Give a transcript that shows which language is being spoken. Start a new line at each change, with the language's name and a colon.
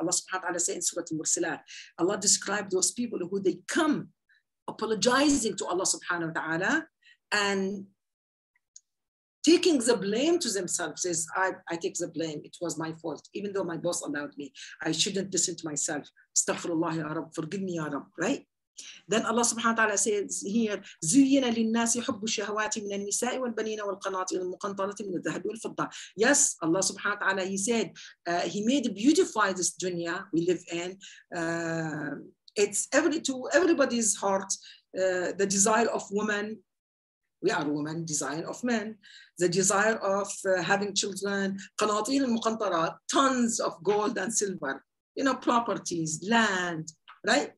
English: Allah subhanahu wa ta'ala says in Surah Al-Mursilat, Allah described those people who they come apologizing to Allah subhanahu wa ta'ala and taking the blame to themselves, says, I take the blame. It was my fault. Even though my boss allowed me, I shouldn't listen to myself. Astaghfirullah, Ya Rab, forgive me, Ya Rab, right? Then Allah subhanahu wa ta'ala says here,
Arabic: زُيِّنَ لِلنَّاسِ حُبُّ الشَّهَوَاتِ مِنَ النِّسَاءِ وَالْبَنِينَ وَالْقَنَاطِ وَالْمُقَنْطَرَةِ مِنَ الذَّهَبِ وَالْفِضَّةِ.
English: Yes, Allah subhanahu wa ta'ala, he said, he made beautify this dunya we live in. It's everybody's heart, the desire of woman. We are women, desire of men, the desire of having children, qanatir al-muqantara, tons of gold and silver, you know, properties, land, right?